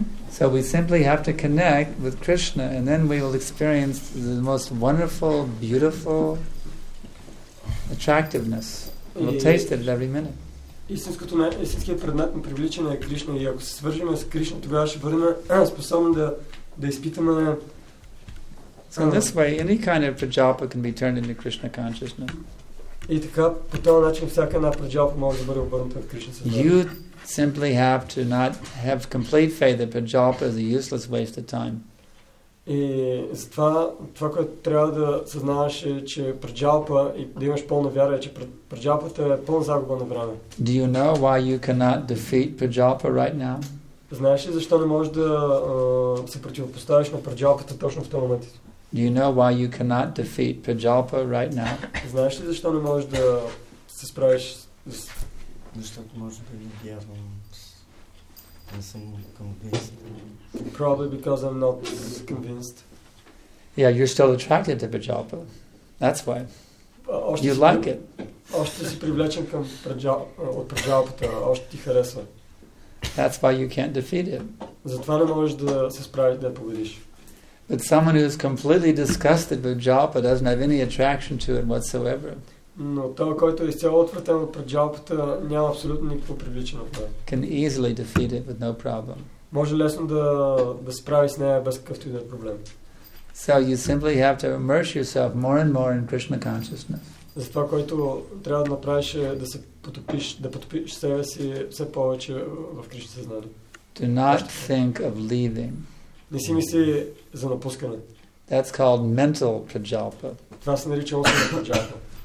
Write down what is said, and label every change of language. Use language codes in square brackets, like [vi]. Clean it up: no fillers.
[en] So we simply have to connect with Krishna and then we will experience the most wonderful, beautiful attractiveness. We'll taste it at every minute. [bg] Истинският предмет на привличане е Кришна и ако се свържим с Кришна, тогава ще бъдем способни да изпитаме. [en] So this way, any kind of prajapa can be turned into Krishna consciousness. [bg] И така, по този начин всяка една прджапа може да бъде обърната в Кришна съзнание. [en] You simply have to not have complete faith that prajapa is a useless waste of time. [bg] И затова това, което трябва да съзнаваш е, че праджалпа и да имаш пълна вяра, е, че праджалпата е пълна загуба на време. [en] Do you know why you cannot defeat праджалпа right now? [bg] Знаеш ли защо не можеш да се противопоставиш на праджалпата точно в този момент? [en] Do you know why you cannot defeat праджалпа right now? [bg] Знаеш ли защо не можеш да се справиш с... Защото може да ви дявам. Не съм [en] convinced. Probably because I'm not convinced. Yeah, you're still attracted to Prajapa. That's why. You like it. [bg] Още си привлечен към от Prajapata. Още ти харесва. [en] That's why you can't defeat it. [bg] Затова не можеш да се справиш да победиш. [en] But someone who is completely disgusted with Prajapa doesn't have any attraction to it whatsoever. [bg] Но той, който е изцяло отвратен от праджалпата, няма абсолютно никакво привличено в това. [en] Can easily defeat it with no problem. [bg] Може лесно да справи с нея без какъвто и да е проблем. [en] So you simply have to immerse yourself more and more in Krishna consciousness. [bg] За това, което трябва да направиш е да се потопиш, да потопиш себе си все повече в Кришна съзнание. [en] Do not think of leaving. [bg] Не си мисли за напускане. [en] That's called mental prajalpa. [bg] Това се нарича умствена праджалпа.